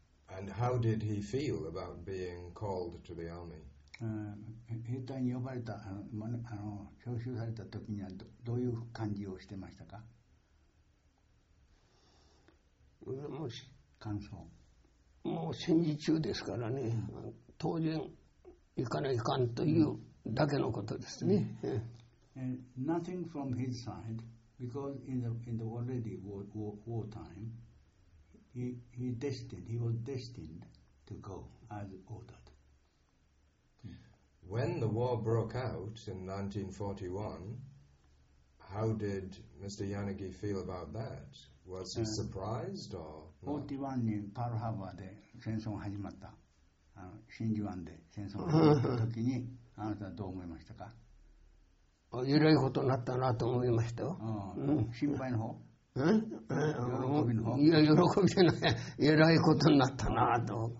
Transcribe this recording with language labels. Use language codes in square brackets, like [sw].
[en] And how did he feel about being called to the army? [ja] 兵隊に呼ばれた、招集された時にはどういう感じをしてましたか？もし感想。もう戦時中ですからね、当然行かないかんというだけのことですね。 [en] And nothing from his side. Because in the already war time, he was destined to go as ordered. When the war broke out in 1941, how did Mr. Yanagi feel about that? Was he surprised or? [ja] 41年パールハーバーで戦争始まった。真珠湾で戦争始まった時にあなたはどう思いましたか？えらいことになったなと思いましたよ、うん、心配の方、喜びの方、いや喜びじゃない、えらいことになったなと、